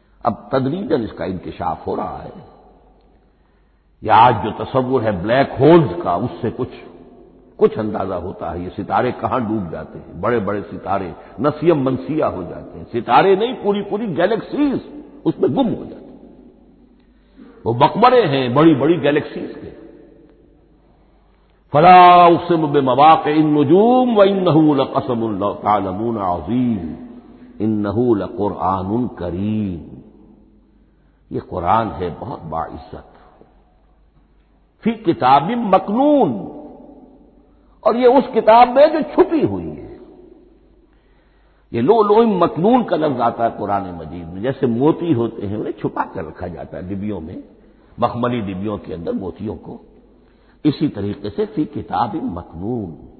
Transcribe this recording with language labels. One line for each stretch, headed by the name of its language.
Urdu: اب تدریجاً اس کا انکشاف ہو رہا ہے، یا آج جو تصور ہے بلیک ہولز کا اس سے کچھ اندازہ ہوتا ہے، یہ ستارے کہاں ڈوب جاتے ہیں، بڑے بڑے ستارے نسیم منسیہ ہو جاتے ہیں، ستارے نہیں پوری پوری گیلیکسیز اس میں گم ہو جاتے ہیں، وہ مقبرے ہیں بڑی بڑی گیلیکسیز کے.
Arabic: فلا اقسم بمواقع النجوم وانه لقسم لو تعلمون عظیم انه لقرآن کریم.
Urdu: یہ قرآن ہے بہت باعزت،
Arabic: فی کتاب مکنون،
Urdu: اور یہ اس کتاب میں جو چھپی ہوئی ہے. یہ لؤلؤ مکنون کا لفظ آتا ہے قرآن مجید میں، جیسے موتی ہوتے ہیں انہیں چھپا کر رکھا جاتا ہے ڈبیوں میں، مخملی ڈبیوں کے اندر موتیوں کو، اسی طریقے سے
Arabic: فی کتاب مکنون.